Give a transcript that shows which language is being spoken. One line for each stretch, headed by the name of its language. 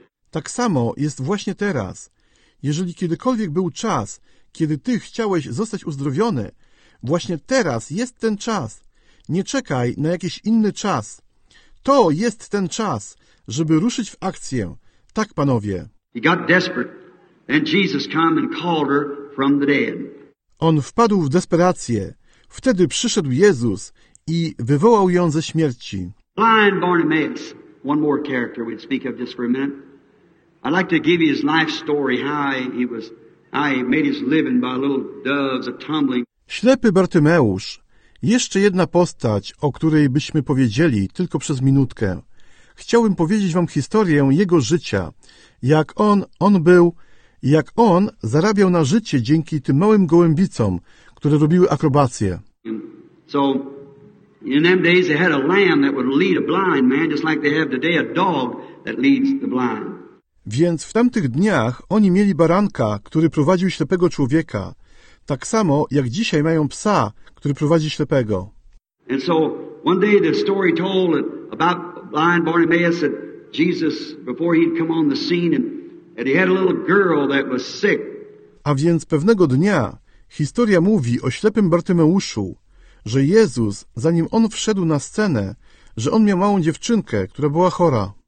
Polish: Tak samo jest właśnie teraz. Jeżeli kiedykolwiek był czas, kiedy ty chciałeś zostać uzdrowiony, właśnie teraz jest ten czas. Nie czekaj na jakiś inny czas. To jest ten czas, żeby ruszyć w akcję. Tak, panowie.
English: He got desperate, and Jesus came and called her from the dead.
Polish: On wpadł w desperację. Wtedy przyszedł Jezus i wywołał ją ze śmierci.
English: Blind Bartimaeus, one more character we'd speak of just for a minute. I'd like to give you his life story, how he made his living by little doves a tumbling.
Polish: Ślepy Bartymeusz. Jeszcze jedna postać, o której byśmy powiedzieli tylko przez minutkę. chciałbym powiedzieć wam historię jego życia. Jak on był, jak on zarabiał na życie dzięki tym małym gołębicom, które robiły akrobacje.
English: So in them days they had a lamb that would lead a blind man, just like they have today a dog that leads the blind.
Polish: Więc w tamtych dniach oni mieli baranka, który prowadził ślepego człowieka, tak samo jak dzisiaj mają psa, który prowadzi ślepego.
English: And so one day the story told about blind Bartimaeus that Jesus, before he'd come on the scene, and he had a little girl that was sick.
Polish: A więc pewnego dnia historia mówi o ślepym Bartymeuszu, że Jezus, zanim on wszedł na scenę, że on miał małą dziewczynkę, która była chora.